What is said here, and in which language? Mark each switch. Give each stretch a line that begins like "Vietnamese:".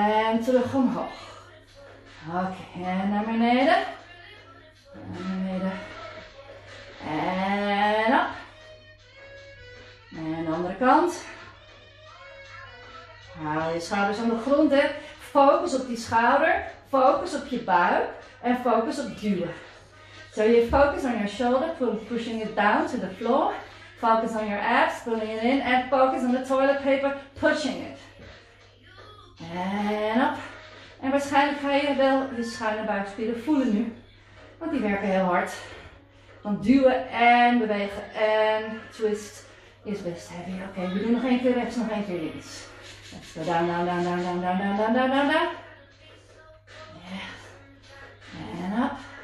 Dutch: En terug omhoog. Oké, en naar beneden. Naar beneden. En op. En de andere kant. Haal je schouders aan de grond, hè. Focus op die schouder, focus op je buik en focus op duwen.
English: So you focus on your shoulder, pushing it down to the floor. Focus on your abs, pulling it in and focus on the toilet paper, pushing it.
Dutch: En op. En waarschijnlijk ga je wel je schuine buikspieren voelen nu, want die werken heel hard. Want duwen en bewegen en twist is best heavy. Oké, we doen nog 1 keer rechts, nog 1 keer links.
English: Let's go down, down, down, down, down, down, down, down, down, down, down. Yeah. And up.